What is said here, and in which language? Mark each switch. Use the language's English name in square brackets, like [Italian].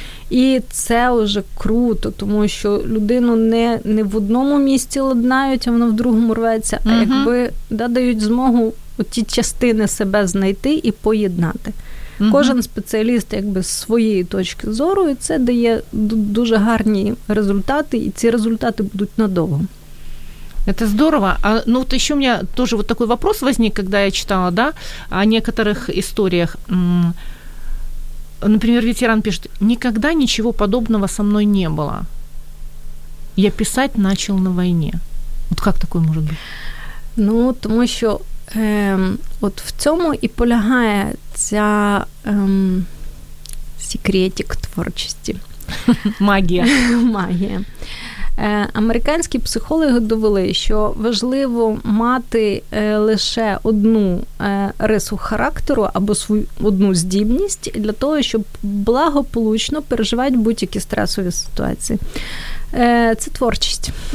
[Ukrainian] І це вже круто, тому що людину не в одному місці ладнають, а воно в другому рветься, а якби дають змогу оті частини себе знайти і поєднати. Кожен спеціаліст якби з своєї точки зору, і це дає дуже гарні результати, і ці результати будуть надовго. [Russian] Это здорово. А, ну, вот еще у меня тоже вот такой вопрос возник, когда я читала, да, о некоторых историях. Например, ветеран пишет, никогда ничего подобного со мной не было. Я писать начал на войне. Вот как такое может быть? Ну, потому что [Ukrainian] от в цьому і полягає ця секретик творчості. Магія. Магія. Американські психологи довели, що важливо мати лише одну рису характеру або свою одну здібність для того, щоб благополучно переживати будь-які стресові ситуації. Це творчість.